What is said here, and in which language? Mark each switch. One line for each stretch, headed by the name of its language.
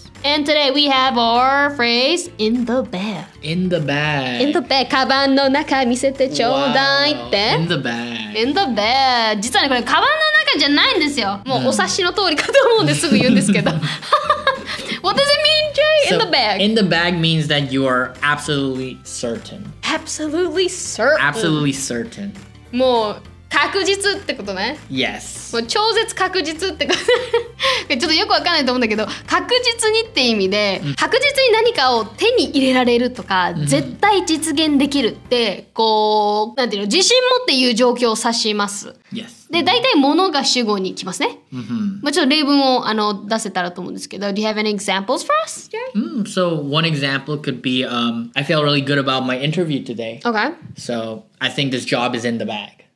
English: And today we have our phrase, in the bag. In the bag. In the bag.
Japanese: カバンの中見せてちょうだいって。
English: In the bag. In the bag.
Japanese: 実はね、これカバンの中じゃないんですよ。もうお察しの通りかと思うんですぐ言うんですけど。
English: What does it mean, Jay? In the bag. In the bag means that you are absolutely certain. Absolutely certain. Absolutely certain.
Japanese: もう確実ってことね。
English: Yes.
Japanese: もう超絶確実ってこと。ちょっとよくわかんないと思うんだけど、確実にって意味で、確実に何かを手に入れられるとか、絶対実現できるって、こう、なんていうの、自信持って言う状況を指します。
English: Yes.
Japanese: で、大体物が主語に来ますね。まあ、ちょっと例文をあの出せたらと思うんですけど、
English: Do you have any examples for us, Jerry?、 So, one example could be, I feel really good about my interview today. Okay. So, I think this job is in the bag.